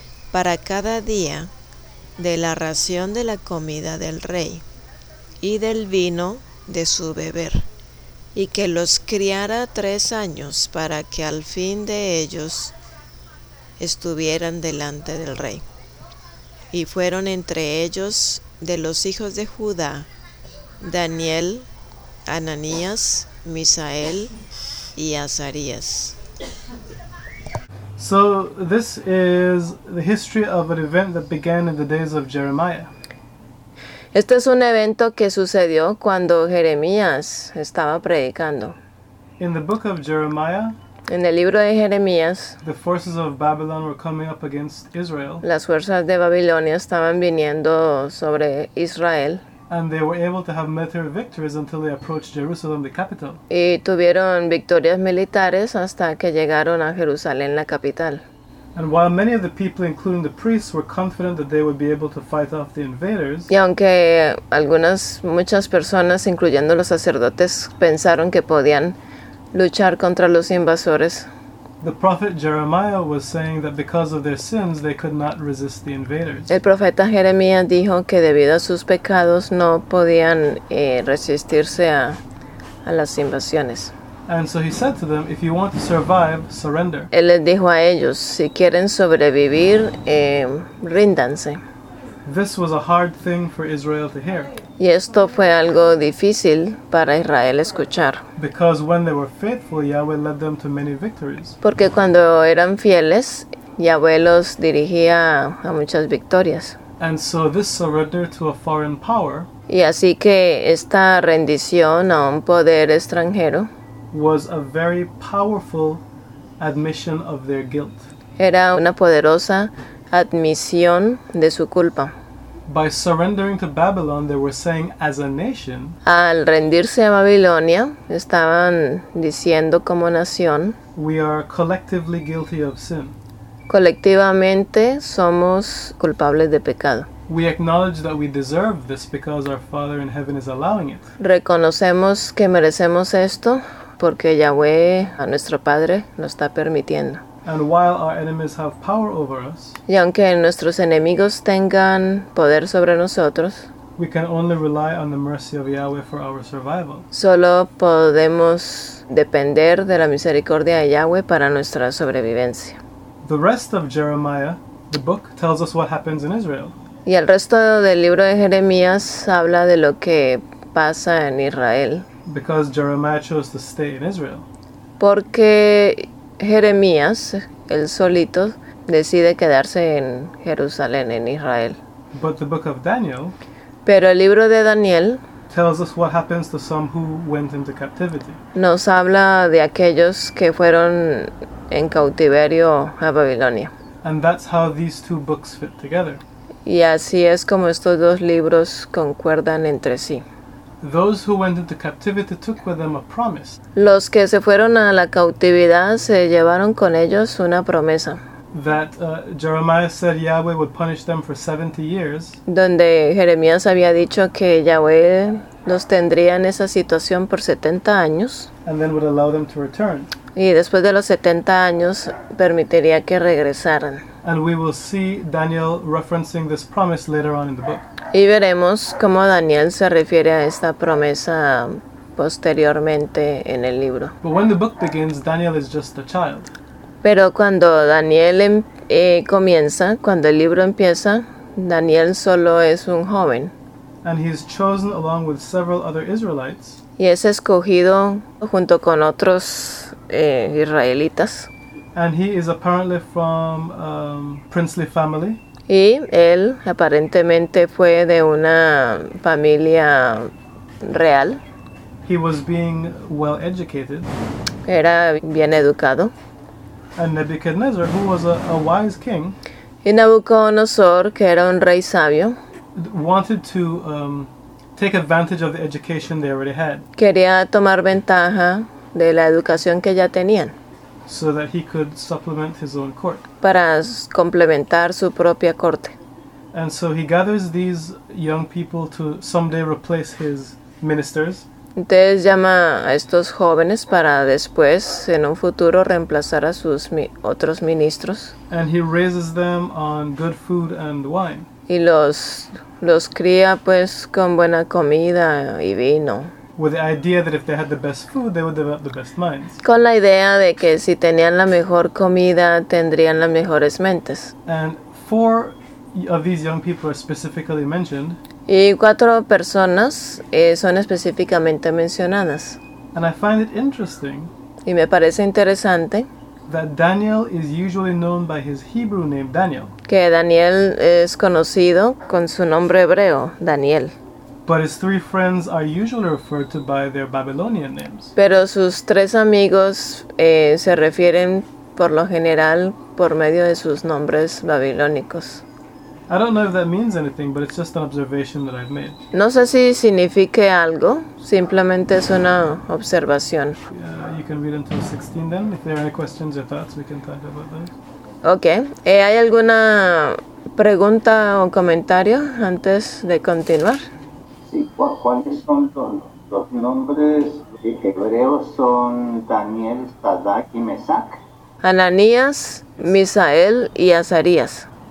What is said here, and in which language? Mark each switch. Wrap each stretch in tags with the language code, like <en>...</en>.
<es>Para cada día de la ración de la comida del rey y del vino de su beber, y que los criara 3 años para que al fin de ellos estuvieran delante del rey. Y fueron entre ellos de los hijos de Judá, Daniel, Ananías, Misael y Azarías.</es> <en>So this is the history of an event that began in the days of Jeremiah.</en> <es>Este es un evento que sucedió cuando Jeremías estaba predicando.</es> <en>In the book of Jeremiah,</en> <es>en el libro de Jeremías,</es> <en>the forces of Babylon were coming up against Israel.</en> <es>Las fuerzas de Babilonia estaban viniendo sobre Israel.</es> <en>And they were able to have military victories until they approached Jerusalem, the capital.</en> <es>Y tuvieron victorias militares hasta que llegaron a Jerusalén, la capital.</es> <en>And while many of the people, including the priests, were confident that they would be able to fight off the invaders,</en> <es>y aunque algunas, muchas personas, incluyendo los sacerdotes, pensaron que podían luchar contra los invasores,</es> <en>the prophet Jeremiah was saying that because of their sins, they could not resist the invaders.</en> <es>El profeta Jeremías dijo que debido a sus pecados no podían resistirse a las invasiones.</es> <en>And so he said to them, if you want to survive, surrender.</en> <es>Él les dijo a ellos, si quieren sobrevivir, ríndanse.</es> <en>This was a hard thing for Israel to hear.</en> <es>Y esto fue algo difícil para Israel escuchar.</es> <en>Because when they were faithful, Yahweh led them to many victories.</en> <es>Porque cuando eran fieles, Yahweh los dirigía a muchas victorias.</es> <en>And so this surrender to a foreign power.</en> <es>Y así que esta rendición a un poder extranjero</es> <en>was a very powerful admission of their guilt.</en> <es>Era una poderosa admisión de su culpa.</es> <en>By surrendering to Babylon, they were saying as a nation.</en> <es>Al rendirse a Babilonia, estaban diciendo como nación,</es> <en>we are collectively guilty of sin.</en> <es>Colectivamente somos culpables de pecado.</es> <en>We acknowledge that we deserve this because our Father in heaven is allowing it.</en> <es>Reconocemos que merecemos esto porque Yahweh, a nuestro Padre, nos está permitiendo.</es> <en>And while our enemies have power over us,</en> <es>y aunque nuestros enemigos tengan poder sobre nosotros,</es> <en>we can only rely on the mercy of Yahweh for our survival.</en> <es>Solo podemos depender de la misericordia de Yahweh para nuestra sobrevivencia.</es> <en>The rest of Jeremiah, the book, tells us what happens in Israel.</en> <es>Y el resto del libro de Jeremías habla de lo que pasa en Israel.</es> <en>Because Jeremiah chose to stay in Israel.</en> <es>Porque Jeremías, él solito, decide quedarse en Jerusalén, en Israel.</es> <en>But the book of Daniel,</en> <es>pero el libro de Daniel</es> <en>tells us what happens to some who went into captivity.</en> <es>Nos habla de aquellos que fueron en cautiverio a Babilonia.</es> <en>And that's how these two books fit together.</en> <es>Y así es como estos dos libros concuerdan entre sí.</es> <en>Those who went into captivity took with them a promise.</en> <es>Los que se fueron a la cautividad se llevaron con ellos una promesa.</es> <en>That Jeremiah said Yahweh would punish them for 70 years.</en> <es>Donde Jeremías había dicho que Yahweh los tendría en esa situación por 70 años.</es> <en>And then would allow them to return.</en> <es>Y después de los 70 años permitiría que regresaran.</es> <en>And we will see Daniel referencing this promise later on in the book.</en> <es>Y veremos cómo Daniel se refiere a esta promesa posteriormente en el libro.</es> <en>But when the book begins, Daniel is just a child.</en> <es>Pero cuando Daniel comienza, cuando el libro empieza, Daniel solo es un joven.</es> <en>And he is chosen along with several other Israelites.</en> <es>Y es escogido junto con otros israelitas.</es> <en>And he is apparently from princely family.</en> <es>Y él aparentemente fue de una familia real.</es> <en>He was being well educated.</en> <es>Era bien educado.</es> <en>And Nebuchadnezzar, who was a wise king.</en> <es>Y Nabucodonosor, que era un rey sabio,</es> <en>wanted to take advantage of the education they already had.</en> <es>Quería tomar ventaja de la educación que ya tenían.</es> <en>So that he could supplement his own court.</en> <es>Para complementar su propia corte.</es> <en>And so he gathers these young people to someday replace his ministers.</en> <es>Entonces llama a estos jóvenes para después, en un futuro, reemplazar a sus otros ministros.</es> <en>And he raises them on good food and wine.</en> <es>Y los cría pues con buena comida y vino.</es> <en>With the idea that if they had the best food, they would develop the best minds.</en> <es>Con la idea de que si tenían la mejor comida, tendrían las mejores mentes.</es> <en>And four of these young people are specifically mentioned.</en> <es>Y cuatro personas son específicamente mencionadas.</es> <en>And I find it interesting.</en> <es>Y me parece interesante.</es> <en>That Daniel is usually known by his Hebrew name Daniel.</en> <es>Que Daniel es conocido con su nombre hebreo, Daniel.</es> <en>But his three friends are usually referred to by their Babylonian names.</en> <es>Pero sus tres amigos se refieren por lo general por medio de sus nombres babilónicos.</es> <en>I don't know if that means anything, but it's just an observation that I've made.</en> <es>No sé si signifique algo, simplemente es una observación.</es> <en>You can read until 16 then. If there are any questions or thoughts, we can talk about those. Okay.</en> <es>¿Hay alguna pregunta o comentario antes de continuar? Sí, ¿cuáles son los nombres hebreos? Son Daniel, Sadak y Mesac. Ananías, Misael y Azarías.</es>